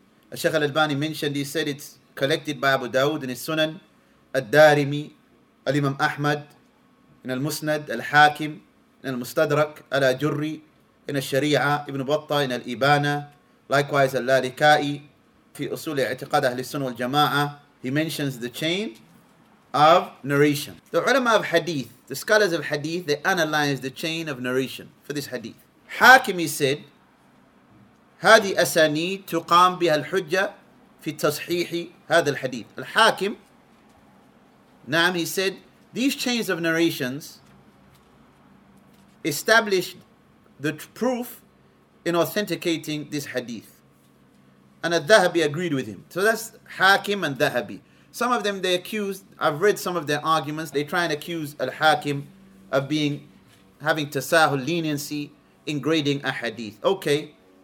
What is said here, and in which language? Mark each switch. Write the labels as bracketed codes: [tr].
[en] Al-Shaykh al-Albani mentioned, he said it's collected by Abu Dawud in his Sunan, Al-Darimi, Al-Imam Ahmad, in Al-Musnad, Al-Hakim, in Al-Mustadrak, Al-Ajurri, in Al-Sharia, Ibn Battah, in Al-Ibana, likewise Al-Lalika'i, Fi Usul I'tiqad Ahli Sunan wal-Jama'ah. He mentions the chain of narration. The ulama of hadith, the scholars of hadith, they analyze the chain of narration for this hadith. Hakim, he said, [ar] هذه أسانيد تقام بها الحجة في تصحيح هذا الحديث. [en] الحاكم, نعم, he said, these chains of narrations established the proof in authenticating this hadith. And الذهبي agreed with him. So that's Hakim and Dhahabi. Some of them they accused, I've read some of their arguments, they try and accuse الحاكم of being, having تساهل, leniency in grading a hadith. Okay.